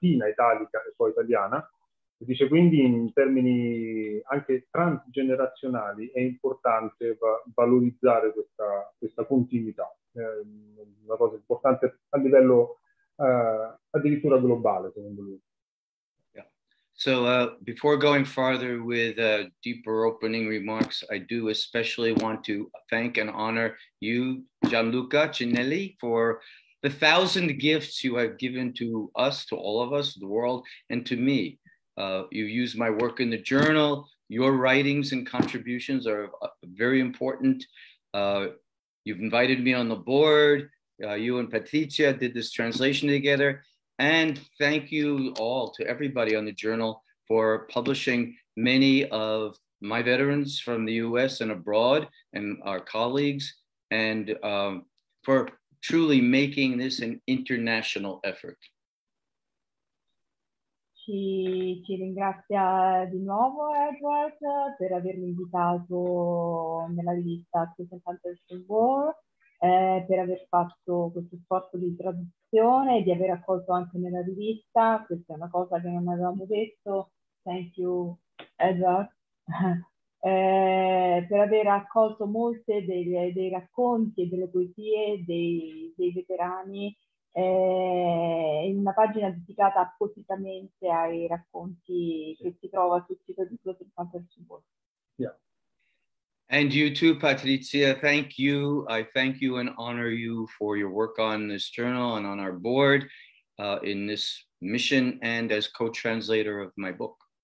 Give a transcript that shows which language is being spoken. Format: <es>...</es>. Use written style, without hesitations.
<it>latina, italica e poi italiana. Dice quindi in termini anche transgenerazionali è importante valorizzare questa continuità, una cosa importante a livello addirittura globale, secondo lui.</it> <en>So, before going farther with deeper opening remarks, I do especially want to thank and honor you, Gianluca Cinelli, for the thousand gifts you have given to us, to all of us, the world, and to me. You use my work in the journal. Your writings and contributions are very important. You've invited me on the board. You and Patrizia did this translation together. And thank you all to everybody on the journal for publishing many of my veterans from the US and abroad, and our colleagues, and for truly making this an international effort.</en> <it>Ci ringrazia di nuovo Edward per avermi invitato nella rivista Close Encounters in War, per aver fatto questo sforzo di traduzione e di aver accolto anche nella rivista. Questa è una cosa che non avevamo detto.</it> <en>Thank you, Edward.</en> <it>per aver accolto molte dei racconti e delle poesie dei veterani in una pagina dedicata appositamente ai racconti che si trova sul sito di Close Encounters World.</it> <en>And you too, Patrizia, thank you. I thank you and honor you for your work on this journal and on our board in this mission and as co-translator of my book.</en>